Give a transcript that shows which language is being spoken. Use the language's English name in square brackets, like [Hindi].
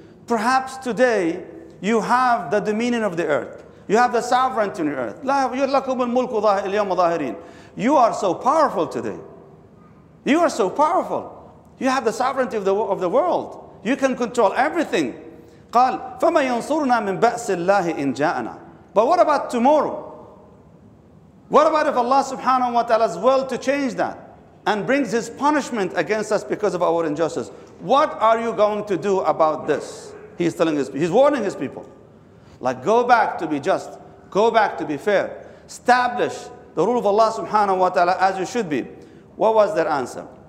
[English] Perhaps today you have the dominion of the earth. You have the sovereignty on the earth. [Arabic] Lakumul mulku al-yawm dhahirin. [English] You are so powerful today. You are so powerful. You have the sovereignty of the world. You can control everything. [Arabic] قال فما ينصرنا من بأس الله إن جاءنا. [English] But what about tomorrow? What about if Allah subhanahu wa ta'ala's will to change that and brings His punishment against us because of our injustice? What are you going to do about this? He's warning His people. Like, go back to be just. Go back to be fair. Establish the rule of Allah subhanahu wa ta'ala as you should be. What was their answer?